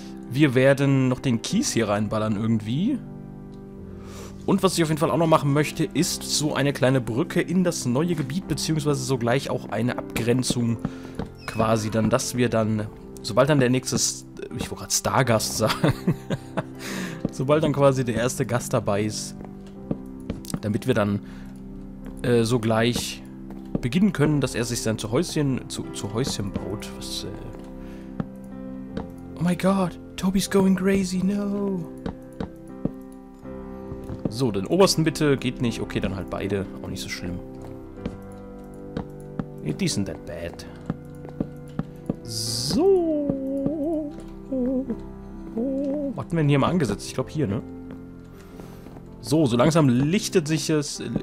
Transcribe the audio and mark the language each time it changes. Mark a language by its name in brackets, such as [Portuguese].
[German] Wir werden noch den Kies hier reinballern irgendwie. Und was ich auf jeden Fall auch noch machen möchte, ist so eine kleine Brücke in das neue Gebiet, beziehungsweise sogleich auch eine Abgrenzung quasi dann, dass wir dann, sobald dann der nächste, ich wollte gerade Stargast sagen, sobald dann quasi der erste Gast dabei ist, damit wir dann sogleich beginnen können, dass er sich dann zu Häuschen baut. [English] Was, oh my god, Toby's going crazy, no. [German] So, den obersten bitte, geht nicht. Okay, dann halt beide. Auch nicht so schlimm. [English] It isn't that bad. So. [German] Was hatten wir denn hier mal angesetzt? Ich glaube hier, ne? So, so langsam lichtet sich es.